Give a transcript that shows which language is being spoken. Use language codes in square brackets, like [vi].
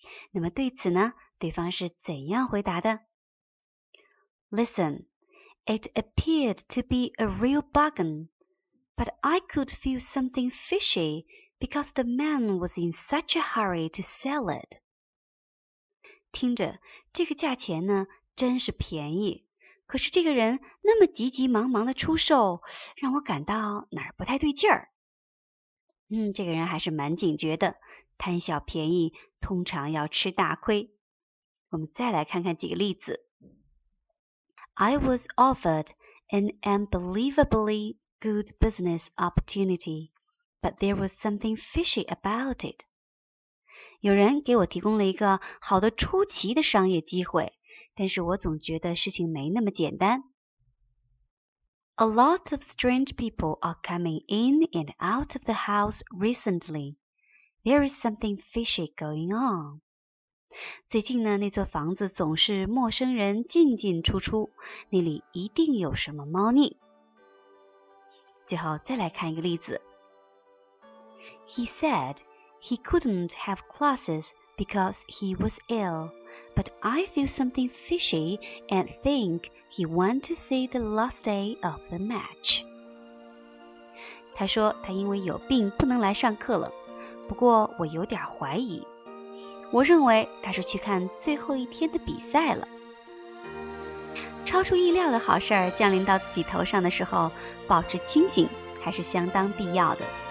[zh] 那么对此呢，对方是怎样回答的？ [en] Listen, it appeared to be a real bargain, but I could feel something fishy because the man was in such a hurry to sell it. [zh] 听着，这个价钱呢，真是便宜，可是这个人那么急急忙忙的出售，让我感到哪儿不太对劲儿。这个人还是蛮警觉的，贪小便宜通常要吃大亏。我们再来看看几个例子。 [en] I was offered an unbelievably good business opportunity, but there was something fishy about it. [zh] 有人给我提供了一个好的出奇的商业机会，但是我总觉得事情没那么简单。 [en] A lot of strange people are coming in and out of the house recently. There is something fishy going on. [zh] 最近呢，那座房子总是陌生人进进出出，那里一定有什么猫腻。最后再来看一个例子。 [en] He said he couldn't have classes because he was ill, but I feel something fishy and think he want to see the last day of the match. [zh] 他说他因为有病不能来上课了，不过我有点怀疑。我认为他是去看最后一天的比赛了。超出意料的好事儿降临到自己头上的时候，保持清醒还是相当必要的。